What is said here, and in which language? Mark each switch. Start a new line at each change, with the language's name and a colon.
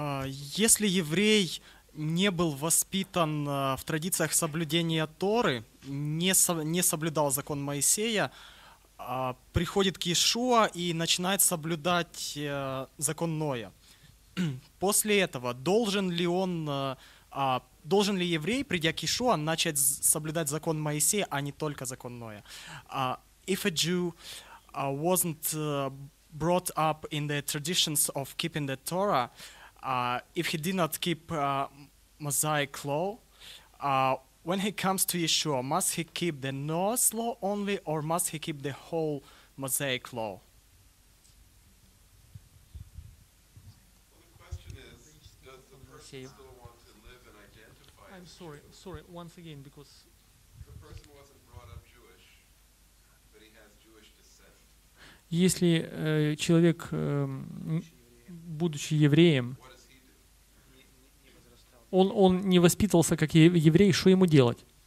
Russian: Если еврей не был воспитан в традициях соблюдения Торы, не соблюдал закон Моисея, приходит к Иешуа и начинает соблюдать закон Ноя. После этого должен ли еврей, придя к Иешуа, начать соблюдать закон Моисея, а не только закон Ноя?
English: If a Jew wasn't brought up in the traditions of keeping the Torah, if he did not keep Mosaic law, when he comes to Yeshua, must he keep the Noah's law only, or must he keep the whole Mosaic law? Well, the question is, does the person still want to live and identify? I'm sorry, once again, because the person wasn't brought up Jewish, but he has Jewish descent.
Russian: Если человек, будучи евреем, Он не воспитывался как еврей, что ему делать?